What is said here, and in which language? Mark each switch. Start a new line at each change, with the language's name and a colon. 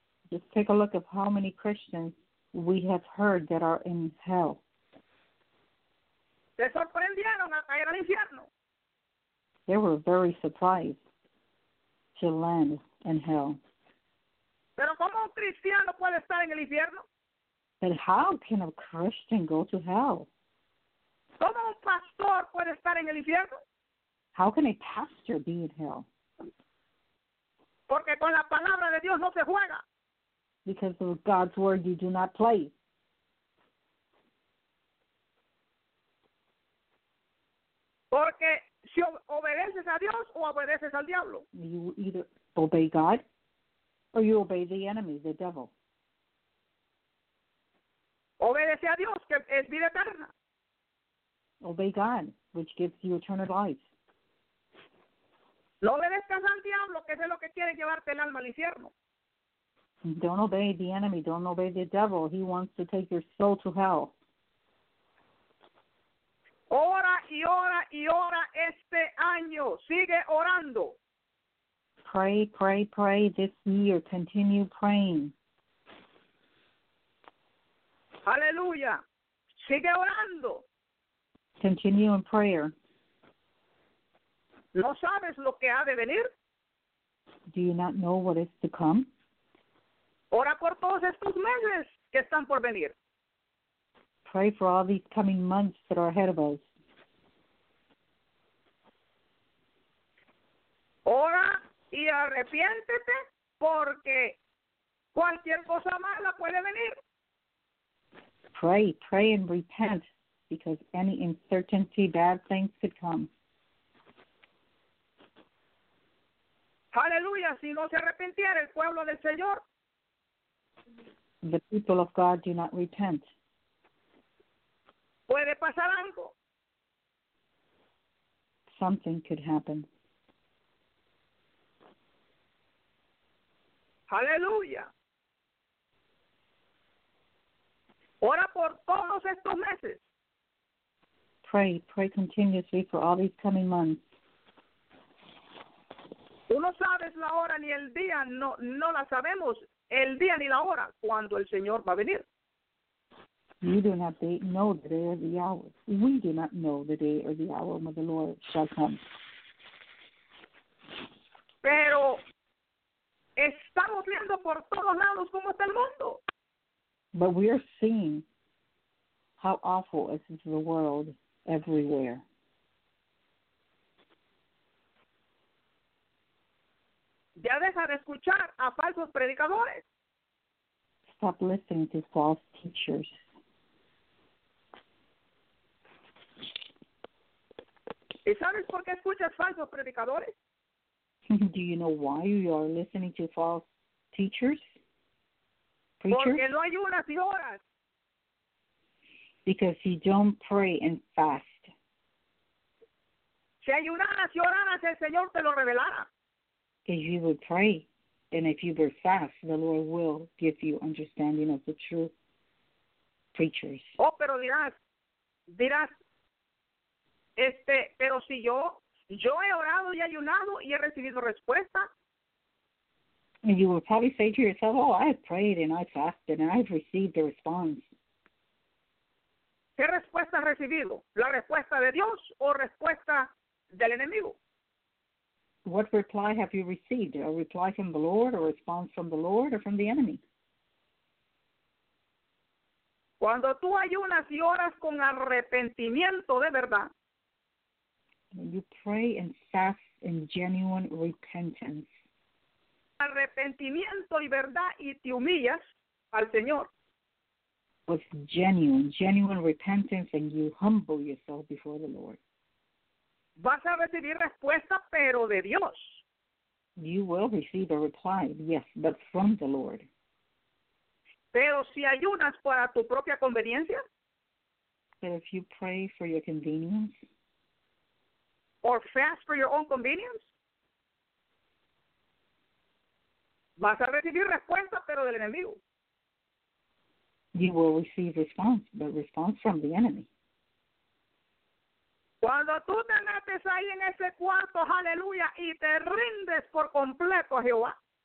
English: Just take a look at how many Christians we have heard that are in hell.
Spanish: Se sorprendieron a caer al infierno.
English: They were very surprised to land in hell.
Spanish: Pero ¿cómo un cristiano puede estar en el infierno?
English: But how can a Christian go to hell?
Spanish: ¿Cómo un pastor puede estar en el infierno?
English: How can a pastor be in hell?
Spanish: Porque con la palabra de Dios no se juega.
English: Because of God's word you do not play.
Spanish: Porque si obedeces a Dios o obedeces al diablo.
English: You either obey God or you obey the enemy, the devil.
Spanish: Obedece a Dios, que es vida eterna.
English: Obey God, which gives you eternal life.
Spanish: No obedezcas al diablo, que es lo que quiere llevarte el alma al infierno.
English: Don't obey the enemy. Don't obey the devil. He wants to take your soul to hell.
Spanish: Ora y ora y ora este año. Sigue orando.
English: pray this year. Continue praying.
Spanish: Hallelujah. Sigue orando.
English: Continue in prayer.
Spanish: ¿No sabes lo que ha de venir?
English: Do you not know what is to come?
Spanish: Ora por todos estos meses que están por venir.
English: Pray for all these coming months that are ahead of us.
Spanish: Ora y arrepiéntete porque cualquier cosa mala puede venir.
English: Pray and repent because any uncertainty, bad things could come.
Spanish: Aleluya, si no se arrepintiera el pueblo del Señor.
English: The people of God do not repent.
Spanish: Puede pasar algo.
English: Something could happen.
Spanish: Aleluya. Ora por todos estos meses.
English: Pray continuously for all these coming months.
Spanish: Tú no sabes la hora ni el día, no la sabemos, el día ni la hora, cuando el Señor va a venir.
English: You do not know the day or the hour. We do not know the day or the hour when the Lord shall come.
Spanish: Pero estamos viendo por todos lados cómo está el mundo.
English: But we are seeing how awful is the world everywhere.
Spanish: Ya deja de escuchar a falsos predicadores.
English: Stop listening to false teachers.
Spanish: ¿Y sabes por qué escuchas falsos predicadores?
English: Do you know why you are listening to false teachers? Preachers?
Spanish: Porque no hay unas y horas.
English: Because you don't pray and fast.
Spanish: Si ayunaras y oraras, el Señor te lo revelara.
English: If you would pray, and if you were fast, the Lord will give you understanding of the true preachers.
Spanish: Oh, pero dirás, pero si yo he orado y ayunado y he recibido respuesta.
English: And you will probably say to yourself, oh, I have prayed and I fasted and I've received the response.
Spanish: ¿Qué respuesta has recibido? ¿La respuesta de Dios o respuesta del enemigo?
English: What reply have you received? A reply from the Lord, a response from the Lord, or from the enemy?
Spanish: Cuando tú ayunas y oras con arrepentimiento de verdad.
English: When you pray and fast in genuine repentance.
Spanish: Arrepentimiento y verdad y te humillas al Señor.
English: With genuine repentance and you humble yourself before the Lord.
Spanish: Vas a recibir respuesta, pero de Dios.
English: You will receive a reply, yes, but from the Lord.
Spanish: Pero si ayunas para tu propia conveniencia.
English: But if you pray for your convenience. Or fast for your own convenience.
Spanish: Vas a recibir respuesta, pero del enemigo.
English: You will receive response, but response from the enemy.
Spanish: Cuando tú te metes ahí en ese cuarto, aleluya, y te rindes por completo a Jehová.